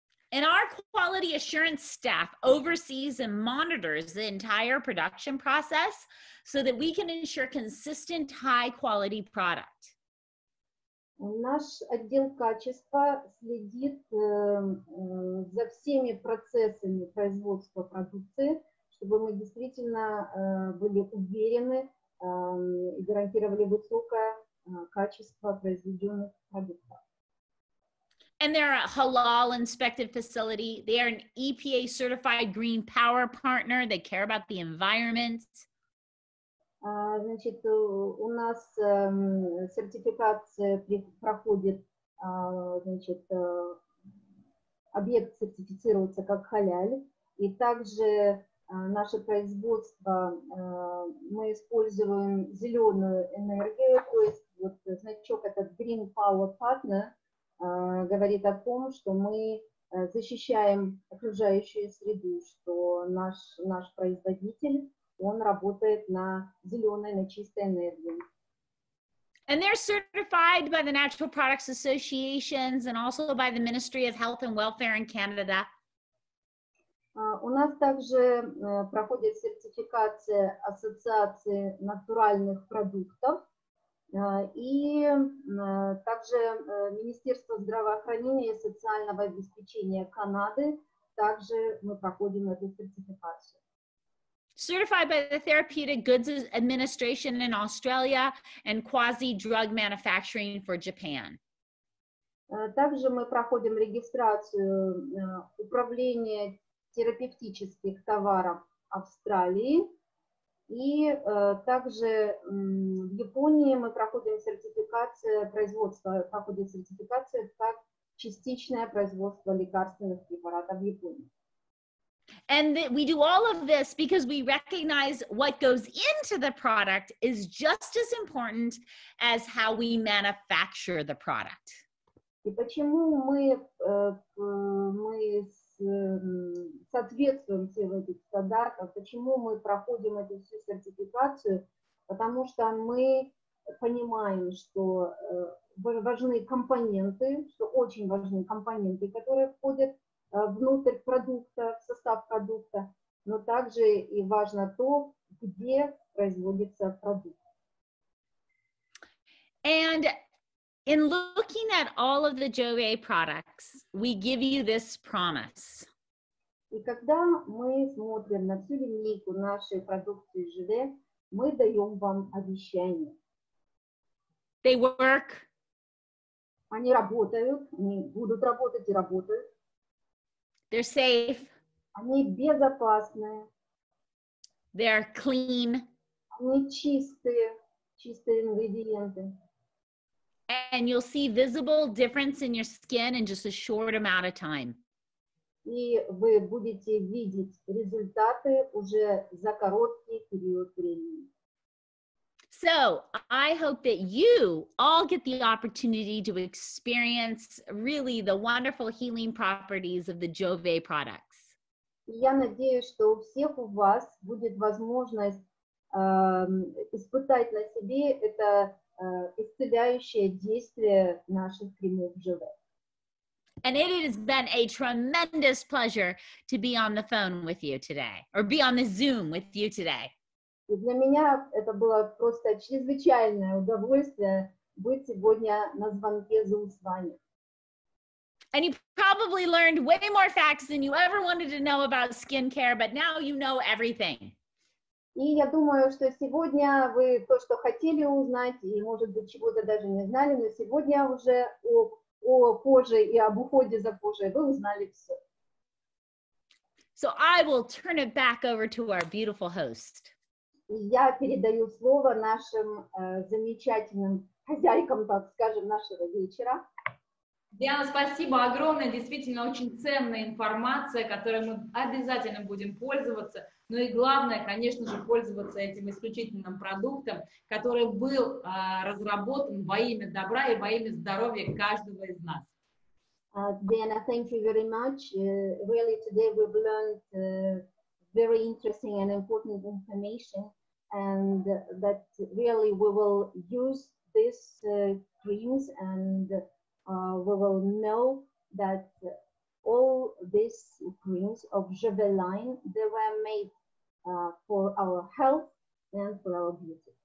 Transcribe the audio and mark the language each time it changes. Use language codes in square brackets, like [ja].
[en] And our quality assurance staff oversees and monitors the entire production process so that we can ensure consistent high quality product. [ru] Наш отдел качества следит за всеми процессами производства продукции, чтобы мы действительно были уверены гарантировали высокое качество произведенных продуктов. [en] And they're a halal inspected facility. They are an EPA certified green power partner. They care about the environment. [ru] Значит, у нас сертификация проходит, значит, объект сертифицируется как халяль. И также наше производство, мы используем зеленую энергию, то есть вот значок этот Green Power Partner говорит о том, что мы защищаем окружающую среду, что наш производитель, он работает на зеленой, на чистой энергии. [en] And they're certified by the Natural Products Associations and also by the Ministry of Health and Welfare in Canada. [ru] У нас также проходит сертификация Ассоциации натуральных продуктов и также Министерство здравоохранения и социального обеспечения Канады. Также мы проходим эту сертификацию. [en] Certified by the Therapeutic Goods Administration in Australia and Quasi Drug Manufacturing for Japan. [ru] Также мы проходим регистрацию управления терапевтических товаров Австралии. И также в Японии мы проходим сертификацию производства, проходит сертификация как частичное производство лекарственных препаратов в Японии. [en] And we do all of this because we recognize what goes into the product is just as important as how we manufacture the product. [ru] И почему мы соответствуем всем этим стандартам, почему мы проходим эту всю сертификацию, потому что мы понимаем, что важны компоненты, что очень важны компоненты, которые входят внутрь продукта, в состав продукта, но также и важно то, где производится продукт. [en] And in looking at all of the Jouve products, we give you this promise. [ru] И когда мы смотрим на всю линейку нашей продукции Jouve, мы даем вам обещание. [en] They work. [ru] Они работают, они будут работать и работают. [en] They're safe. [ru] Они безопасные. [en] They're clean. [ru] Они чистые, чистые ингредиенты. [en] And you'll see visible difference in your skin in just a short amount of time. [ru] И вы будете видеть результаты уже за короткий период времени. [en] So, I hope that you all get the opportunity to experience really the wonderful healing properties of the Jouve products. [ru] Я надеюсь, что у всех у вас будет возможность испытать на себе это исцеляющее действие наших кремов Jouve. [en] And it has been a tremendous pleasure to be on the phone with you today, or be on the Zoom with you today. [ru] И для меня это было просто чрезвычайное удовольствие быть сегодня на звонке Zoom с вами. [en] And you probably learned way more facts than you ever wanted to know about skincare, but now you know everything. [ru] И я думаю, что сегодня вы то, что хотели узнать, и, может быть, чего-то даже не знали, но сегодня уже о коже и об уходе за кожей вы узнали все. [en] So I will turn it back over to our beautiful host. [ru] Я передаю слово нашим замечательным хозяйкам, так скажем, нашего вечера. Диана, спасибо огромное. Действительно, очень ценная информация, которой мы обязательно будем пользоваться. Ну и главное, конечно же, пользоваться этим исключительным продуктом, который был разработан во имя добра и во имя здоровья каждого из нас. [en] Диана, thank you very much. Really, today we've learned very interesting and important information. And that really we will use these creams and we will know that all these creams of Jouve line, they were made for our health and for our beauty.